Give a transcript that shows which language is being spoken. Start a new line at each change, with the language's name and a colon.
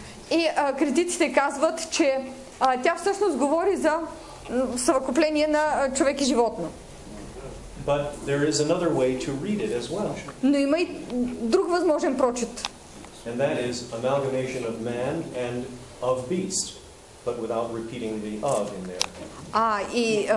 Bulgarian: И критиците казват, че тя всъщност говори за съвкупление на човек и животно.
English: But there is another way to read it as well.
Bulgarian: Но има и друг възможен прочит.
English: And that is amalgamation of man and of beast, but without repeating the of in there.